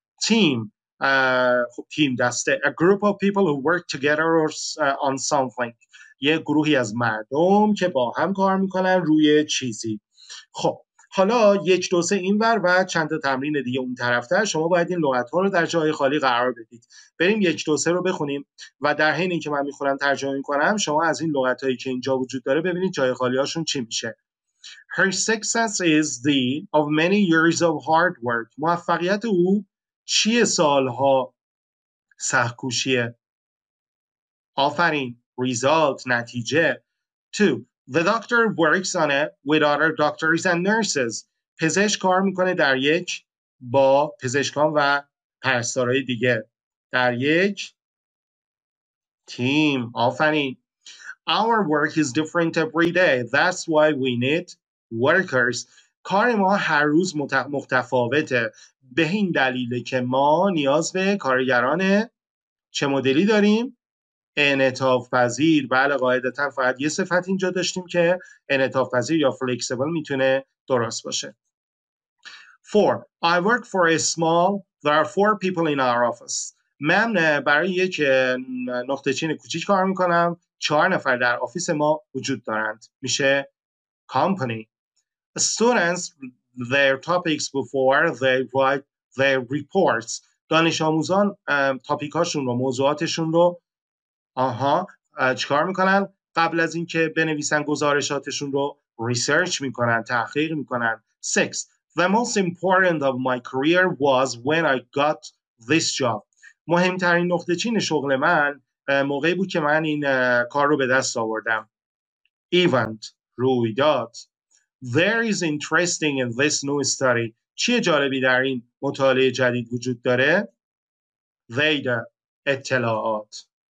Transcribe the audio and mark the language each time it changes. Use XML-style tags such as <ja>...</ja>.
<fa>Team, تیم دسته.</fa> <en>A group of people who work together on something,</en> <fa>یه گروهی از مردم که با هم کار میکنن روی چیزی. خب حالا یک دو سه اینور و چند تا تمرین دیگه اون طرفتر شما باید این لغت ها رو در جای خالی قرار بدید. بریم یک دو سه رو بخونیم و در حین اینکه من میخونم ترجمه میکنم، شما از این لغت هایی که اینجا وجود داره ببینید جای خالی هاشون چی میشه.</fa> <en>Her success is the of many years of hard work.</en> <fa>موفقیت او چیه؟ سالها سخت‌کوشیه. آفرین.</fa> <en>Result, نتیجه. Two. The doctor works on it with other doctors and nurses.</en> <fa>پزشک کار میکنه در یک با پزشکان و پرستارهای دیگه. در یک تیم. آفرین.</fa> <en>Our work is different every day. That's why we need workers.</en> <fa>کار ما هر روز متفاوته. به این دلیله که ما نیاز به کارگران چه مدلی داریم؟ انعطاف پذیر. بله قاعدتا فقط یه صفت اینجا داشتیم که انعطاف پذیر یا فلکسیبل میتونه درست باشه. 4.</fa> <en>I work for a small, there are 4 people in our office.</en> <fa>من برای یک نقطه چین کوچیک کار میکنم. 4 نفر در آفیس ما وجود دارند. میشه company.</fa> <en>Students, their topics before, they write their reports.</en> <fa>دانش آموزان تاپیکاشون رو، موضوعاتشون رو چیکار میکنن؟ قبل از اینکه بنویسن گزارشاتشون رو ریسرچ میکنن، تحقیق میکنن. 6.</fa> <en>The most important of my career was when I got this job.</en> <fa>مهمترین نقطه چین شغل من موقعی بود که من این کار رو به دست آوردم.</fa> <en>Event, رویداد. There is interesting in this new study.</en> <fa>چیه جالبی در این مطالعه جدید وجود داره؟ Data, اطلاعات.</fa>